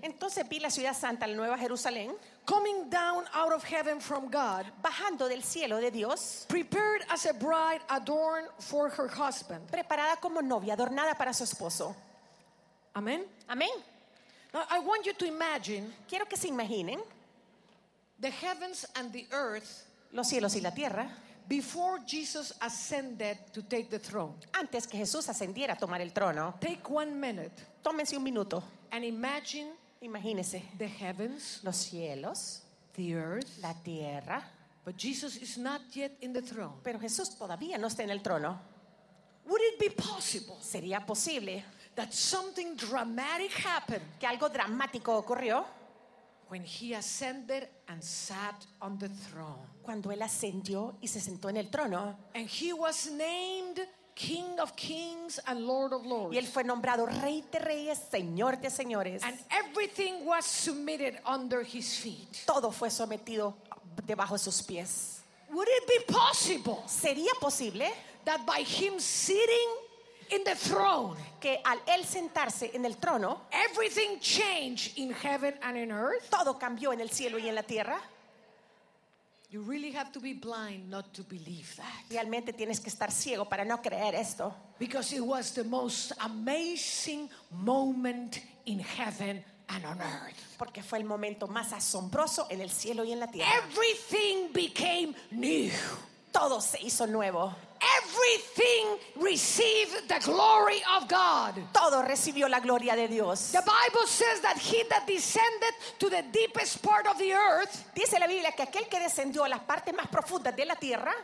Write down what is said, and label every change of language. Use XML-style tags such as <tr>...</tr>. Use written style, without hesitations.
<es>Entonces vi la ciudad santa, la nueva Jerusalén.</es> <en>Coming down out of heaven from God.</en> <es>Bajando del cielo de Dios.</es> <en>Prepared as a bride adorned for her husband.</en> <es>Preparada como novia, adornada para su esposo.</es> <en>Amen.</en> <es>Amen.</es> <en>Now I want you to imagine.</en> <es>Quiero que se imaginen.</es> <en>The heavens and the earth.</en> <es>Los cielos y la tierra.</es> <en>Before Jesus ascended to take the throne.</en> <es>Antes que Jesús ascendiera a tomar el trono.</es> <en>Take 1 minute.</en> <es>Tómense un minuto.</es> <en>And imagine.</en> <es>Imagínese.</es> <en>The heavens,</en> <es>los cielos,</es> <en>the earth,</en> <es>la tierra.</es> <en>But Jesus is not yet in the throne.</en> <es>Pero Jesús todavía no está en el trono.</es> <en>Would it be possible?</en> <es>¿Sería posible?</es> <en>That something dramatic happened.</en> <es>Que algo dramático ocurrió.</es> <en>When he ascended and sat on the throne.</en> <es>Cuando él ascendió y se sentó en el trono.</es> <en>And he was named King of Kings and Lord of Lords.</en> <es>Y él fue nombrado Rey de Reyes, Señor de Señores.</es> <en>And everything was submitted under his feet.</en> <es>Todo fue sometido debajo de sus pies.</es> <en>Would it be possible?</en> <es>¿Sería posible?</es> <en>That by him sitting in the throne,</en> <es>que al él sentarse en el trono,</es> <en>everything changed in heaven and in earth.</en> <es>Todo cambió en el cielo y en la tierra.</es> <en>You really have to be blind not to believe that.</en> <es>Realmente tienes que estar ciego para no creer esto.</es> <en>Because it was the most amazing moment in heaven and on earth.</en> <es>Porque fue el momento más asombroso en el cielo y en la tierra.</es> <en>Everything became new.</en> <es>Todo se hizo nuevo.</es> <en>Everything received the glory of God.</en> <es>Todo recibió la gloria de Dios.</es> <en>The Bible says that he that descended to the deepest part of the earth.</en> <es>Dice la Biblia que aquel que descendió a las partes más profundas de la tierra.</es>